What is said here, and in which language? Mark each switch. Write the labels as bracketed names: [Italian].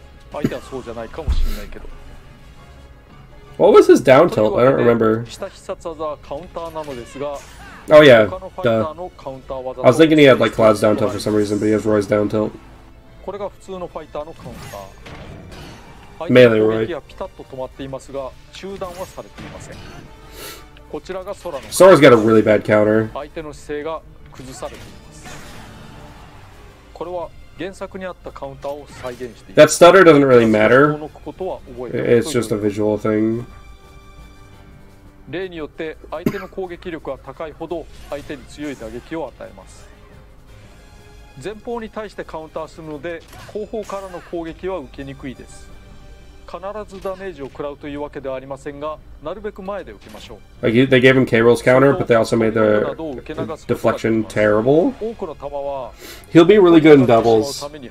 [Japanese] 相手はそうじゃないかもしれないけど。 [English] What was his down tilt? I don't remember. [Japanese] 下必殺技はカウンターなのですが。 [English] Oh yeah, duh. I was thinking he had like Cloud's down tilt for some reason, but he has Roy's down tilt. [Japanese] これが普通のファイターのカウンター [English] Melee Roy. [Japanese] 攻撃はピタッと止まっていますが、中断はされていません。こちらがソラの。 [English] Sora's got a really bad counter. [Japanese] 相手の姿勢が崩されています。これは原作にあったカウンターを再現しています。 [English] That stutter doesn't really matter. It's just a visual thing. [Japanese] 例によって相手の攻撃力が高いほど相手に強い打撃を与えます。前方に対してカウンターするので後方からの攻撃は受けにくいです。必ずダメージを食らうというわけではありませんが、なるべく前で受けましょう。 [English] Like, they gave him K-Roll's counter, but they also made the deflection terrible. [Japanese] 多くの弾は、 [English] He'll be really good in doubles.